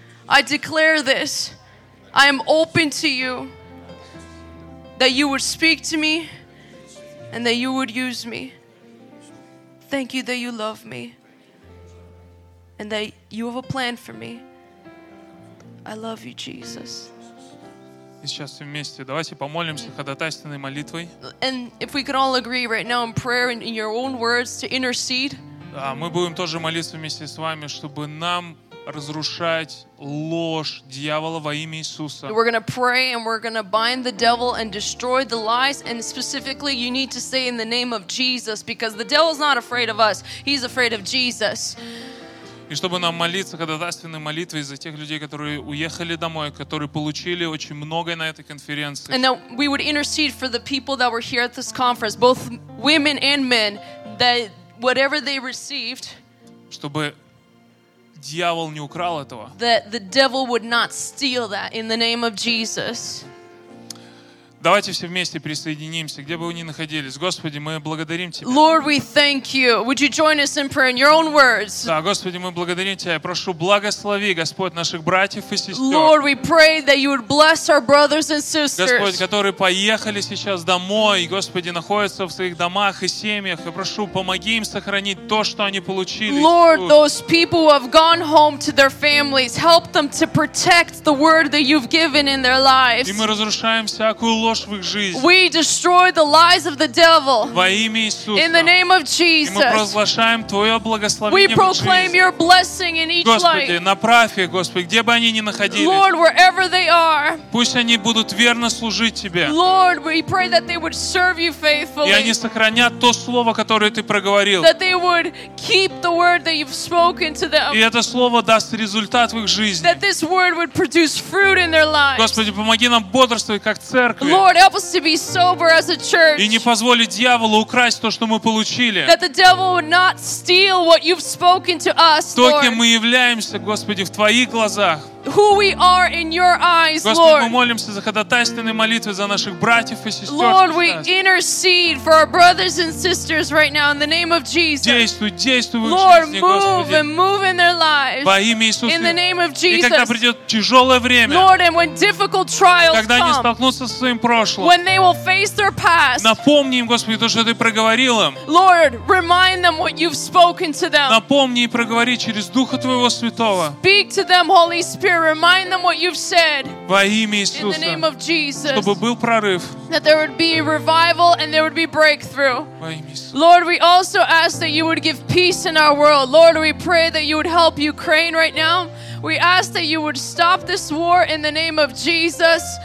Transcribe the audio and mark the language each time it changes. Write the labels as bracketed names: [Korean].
[English] I declare this. I am open to you. That you would speak to me. And that you would use me. Thank you that you love me. And that you have a plan for me. I love you, Jesus. [Russian] И сейчас все вместе. Давайте помолимся ходатайственной молитвой. [English] And if we could all agree right now in prayer in your own words to intercede. [Russian] Да, мы будем тоже молиться вместе с вами, чтобы нам разрушать ложь дьявола во имя Иисуса. [English] We're going to pray and we're going to bind the devil and destroy the lies, and specifically you need to say in the name of Jesus, because the devil's not afraid of us, he's afraid of Jesus. [Russian] И чтобы нам молиться ходатайственной молитвой за тех людей, которые уехали домой, которые получили очень многое на этой конференции. [English] And that we would intercede for the people that were here at this conference, both women and men, that whatever they received, [Russian] чтобы дьявол не украл этого. [English] That the devil would not steal that in the name of Jesus. [Russian] Давайте все вместе присоединимся, где бы вы ни находились. Господи, мы благодарим Тебя. [English] Lord, we thank you. Would you join us in prayer in your own words? [Russian] Да, Господи, мы благодарим Тебя. Я прошу, благослови, Господь, наших братьев и сестер. [English] Lord, we pray that you would bless our brothers and sisters. [Russian] Господь, которые поехали сейчас домой, Господи, находятся в своих домах и семьях. Я прошу, помоги им сохранить то, что они получили. [English] Lord, those people who have gone home to their families, help them to protect the word that you've given in their lives. [Russian] И мы разрушаем всякую ложь. ложь в их жизнь. [English] We destroy the lies of the devil. [Russian] Во имя Иисуса. [English] In the name of Jesus. [Russian] И мы провозглашаем твое благословение. [English] We proclaim your blessing in each life. [Russian] Господи, направь их, Господи, где бы они ни находились. [English] Lord, wherever they are. [Russian] Пусть они будут верно служить тебе. [English] Lord, we pray that they would serve you faithfully. [Russian] И они сохранят то слово, которое ты проговорил. [English] That they would keep the word that you've spoken to them. [Russian] И это слово даст результат в их жизни. [English] That this word would produce fruit in their lives. [Russian] Господи, помоги нам бодрствовать как церковь. [English] Lord, help us to be sober as a church. [Russian] И не позволить дьяволу украсть то, что мы получили. [English] That the devil would not steal what you've spoken to us, Lord. [Russian] То, кем мы являемся, Господи, в твоих глазах. [English] Who we are in your eyes, Lord. [Russian] Господи, мы молимся за ходатайственные молитвы за наших братьев и сестер. [English] Lord, we intercede for our brothers and sisters right now in the name of Jesus. [Russian] Действуй, действуй в их [English] Lord, [Russian] жизни, [English] move [Russian] Господи. [English] And move in their lives. [Russian] Во имя Иисуса. [English] In the name of Jesus. [Russian] И когда придет тяжелое время, [English] Lord, and when difficult trials [Russian] когда [English] come, [Russian] они столкнутся со своим прошлым, [English] when they will face their past, [Russian] напомни им, Господи, то, что ты проговорил им. [English] Lord, remind them what you've spoken to them. [Russian] Напомни и проговори через Духа Твоего Святого. [English] Speak to them, Holy Spirit. Remind them what you've said. [Russian] Во имя Иисуса. [English] In the name of Jesus. [Russian] Чтобы был прорыв. [English] That there would be revival and there would be breakthrough. [Russian] Во имя Иисуса. [English] Lord, we also ask that you would give peace in our world. Lord, we pray that you would help Ukraine right now. We ask that you would stop this war in the name of Jesus.